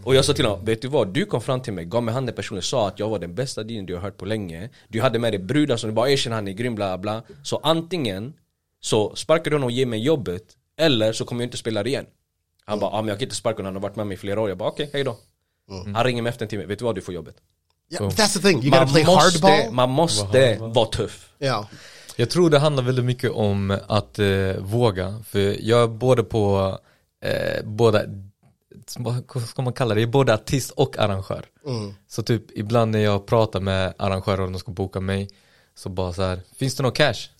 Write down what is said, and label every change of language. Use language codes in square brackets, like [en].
[sv] Och jag sa till honom, vet du vad? Du kom fram till mig, gav mig handen personen, sa att jag var den bästa din du har hört på länge. Du hade med dig brudar som du bara, ej, han är grym, bla, bla. Så antingen så sparkar du honom och ger mig jobbet, eller så kommer jag inte spela igen. Han bara, men jag kan inte sparka honom, han har varit med mig i flera år. Jag bara, okej, hej då. Han ringer mig efter en timme, vet du vad, du får jobbet. [en] Yeah, that's the thing, you gotta play hardball. [sv] Man måste vara tuff. [en] Yeah. [sv] Jag tror det handlar väldigt mycket om att våga. För jag är både på, båda, vad ska man kalla det, jag är både artist och arrangör. Så typ, ibland när jag pratar med arrangörer och de ska boka mig, så bara så här, finns det någon cash?